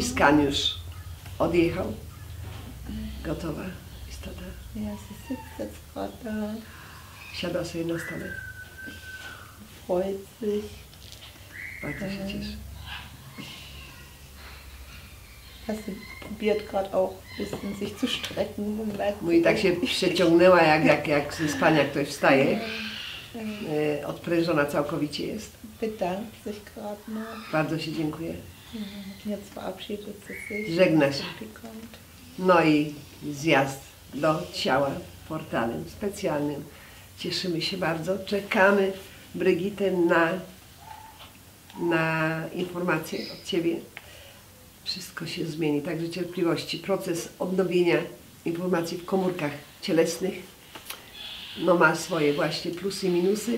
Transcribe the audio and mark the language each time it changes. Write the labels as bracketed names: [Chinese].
[Polish] I skan już odjechał. Gotowa istota. [German] Ja, sie sitzt jetzt gerade. [Polish] Siada sobie na stole. [German] Freut sich. [Polish] Bardzo się cieszy. [German] Gerade auch ein bisschen sich zu strecken. [Polish] Mówi, tak się przeciągnęła, jak ze spania ktoś wstaje. Odprężona całkowicie jest. [German] Bedankt sich gerade mal. [Polish] Bardzo się dziękuję. [German] Jetzt verabschiedet sie sich. [Polish] Żegna się. No i zjazd do ciała portalem specjalnym. Cieszymy się bardzo. Czekamy Brigitte na informacje od Ciebie. Wszystko się zmieni, także cierpliwości. Proces odnowienia informacji w komórkach cielesnych no ma swoje właśnie plusy i minusy.